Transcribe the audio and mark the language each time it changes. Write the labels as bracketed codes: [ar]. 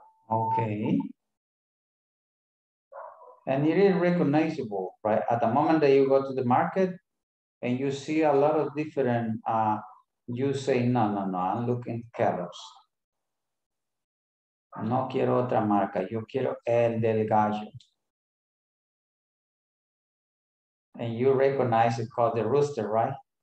[en] Okay. And it is recognizable, right? At the moment that you go to the market and you see a lot of different, you say, no, I'm looking Kellogg's. [es] No quiero otra marca, yo quiero el del gallo. [en] And you recognize it called the rooster, right?